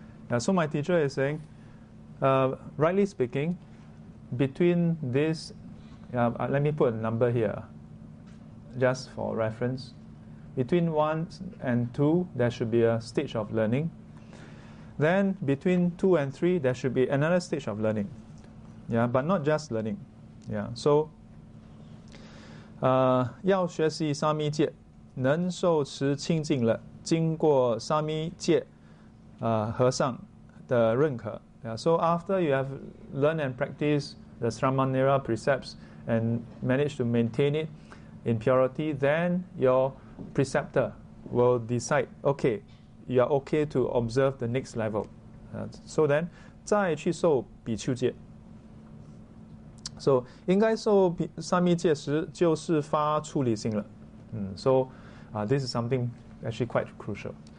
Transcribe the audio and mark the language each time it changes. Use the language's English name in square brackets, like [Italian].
[English] Yeah, so my teacher is saying, rightly speaking, between this, let me put a number here, just for reference. Between 1 and 2, there should be a stage of learning. Then between 2 and 3, there should be another stage of learning. Yeah, but not just learning. Yeah. [Chinese] So, 要学习沙弥戒，能受持清净了，经过沙弥戒，和尚的认可， [English] Yeah, so after you have learned and practiced the Sramanera precepts and managed to maintain it in purity, then your preceptor will decide, okay, you are okay to observe the next level. So then, [Chinese] 再去受比丘戒。 [English] So, [Chinese] 应该受三密戒时就是发出离心了。 [English] So, this is something actually quite crucial.